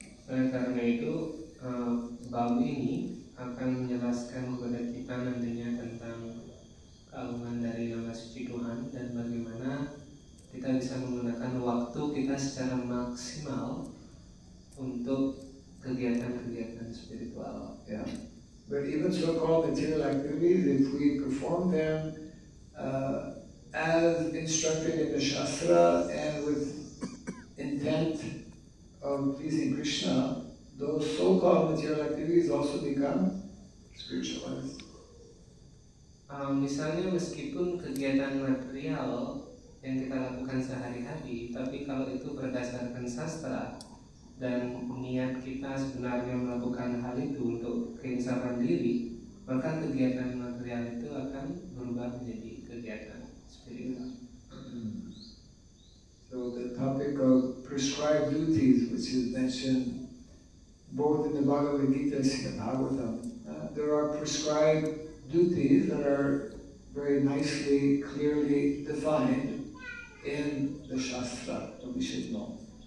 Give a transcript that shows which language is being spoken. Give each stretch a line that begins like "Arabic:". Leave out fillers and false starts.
Indonesian: Oleh karena itu, bab ini akan menjelaskan kepada kita nantinya tentang keagungan dari nama suci Tuhan dan bagaimana kita bisa menggunakan waktu kita secara maksimal untuk kegiatan-kegiatan spiritual. Yeah.
English: But even so-called material activities, if we perform them as instructed in the Shastra and with intent of pleasing Krishna, those so-called material activities also become spiritualized.
Indonesian: Misalnya meskipun kegiatan material yang kita lakukan sehari-hari, tapi kalau itu berdasarkan sastra dan niat kita sebenarnya melakukan hal itu untuk keinsafan diri, maka kegiatan material itu akan berubah menjadi kegiatan spiritual.
English: So the topic of prescribed duties, which is mentioned both in the Bhagavad Gita and Bhagavatam, there are prescribed duties that are very nicely, clearly defined in the Shastra, that we should know.